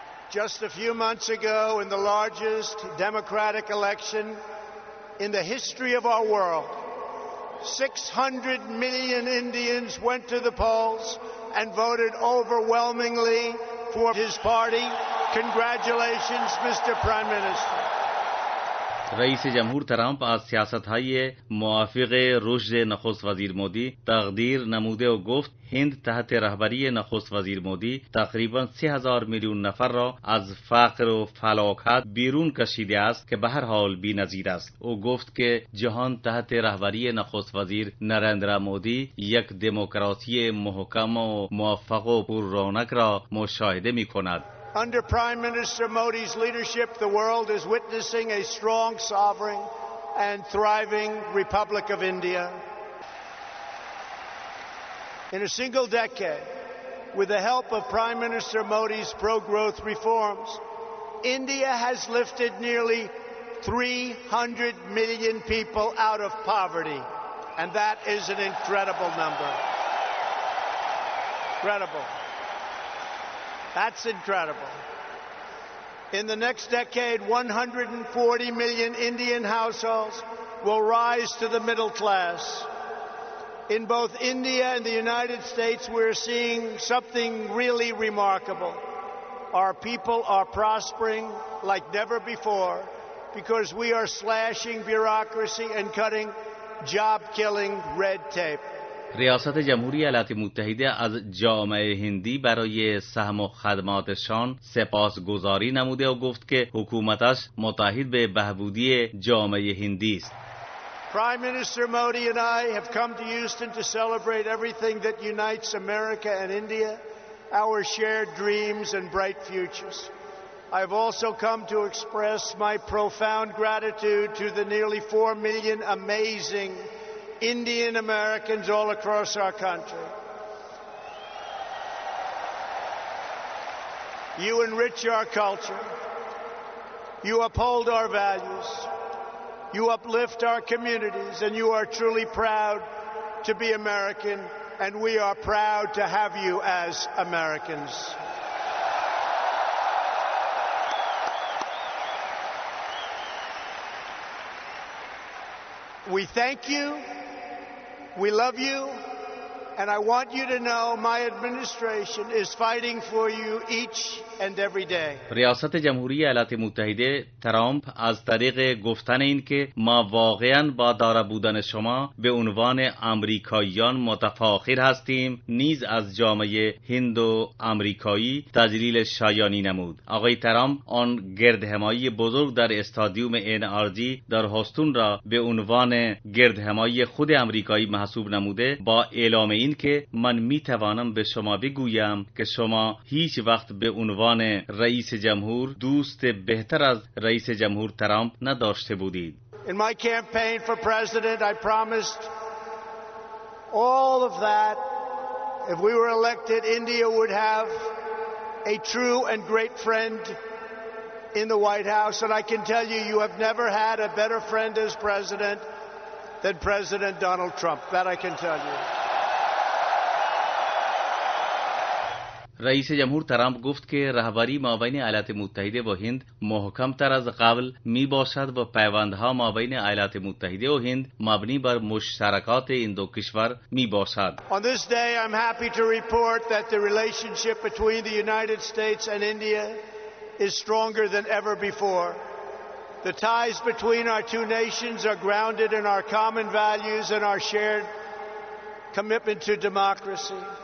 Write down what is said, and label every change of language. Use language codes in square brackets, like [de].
[en] Just a few months ago, in the largest democratic election in the history of our world, 600 million Indians went to the polls and voted overwhelmingly for his party. Congratulations, Mr. Prime Minister. [fa] رئیس جمهور ترامپ از سیاست‌های موافق رشد نخست وزیر مودی تقدیر نموده و گفت هند تحت رهبری نخست وزیر مودی تقریباً 3000 میلیون نفر را از فقر و فلاکت بیرون کشیده است که به هر حال بی‌نظیر است. او گفت که جهان تحت رهبری نخست وزیر نریندرا مودی یک دموکراسی محکم و موفق و پر رونق را مشاهده می‌کند. [en] Under Prime Minister Modi's leadership, the world is witnessing a strong, sovereign, and thriving Republic of India. In a single decade, with the help of Prime Minister Modi's pro-growth reforms, India has lifted nearly 300 million people out of poverty, and that is an incredible number. Incredible. That's incredible. In the next decade, 140 million Indian households will rise to the middle class. In both India and the United States, we're seeing something really remarkable. Our people are prospering like never before because we are slashing bureaucracy and cutting job-killing red tape. [fa] ریاست جمهوری ایالات متحده از جامعه هندی برای سهم و خدماتشان سپاسگزاری نموده و گفت که حکومتش متحد به بهبودی جامعه هندی است. [en] Prime Minister Modi and I have come to Houston to celebrate everything that unites America and India, our shared dreams and bright futures. I've also come to express my profound gratitude to the nearly 4 million amazing Indian Americans all across our country. You enrich our culture. You uphold our values. You uplift our communities, and you are truly proud to be American, and we are proud to have you as Americans. We thank you. We love you, and I want you to know my administration is fighting for you each and every day. [fa] ریاست جمهوری ایالات متحده ترامپ از طریق گفتن این که ما واقعا با دارا بودن شما به عنوان آمریکاییان متفاخر هستیم نیز از جامعه هند و آمریکایی تجلیل شایانی نمود. آقای ترامپ آن گردهمایی بزرگ در استادیوم NRG در هاستون را به عنوان گردهمایی خود آمریکایی محسوب نموده با اعلام این که من می توانم به شما بگویم که شما هیچ وقت به عنوان رئیس جمهور دوست بهتر از رئیس جمهور ترامپ نداشته بودید. [en] In my campaign for president, I promised all of that. If we were elected, India would have a true and great friend in the White House, and I can tell you, you have never had a better friend as president than President Donald Trump. That I can tell you. [fa] رئیس جمهور ترامپ گفت که رهبری مابین ایالات متحده و هند محکم تر از قبل می باشد و پیوندها مابین ایالات متحده و هند مبنی بر مشترکات این دو کشور می باشد. [en] On this day I'm happy to report that the relationship between the United States and India is stronger than ever before. The ties between our two nations are grounded in our common values and our shared commitment to democracy.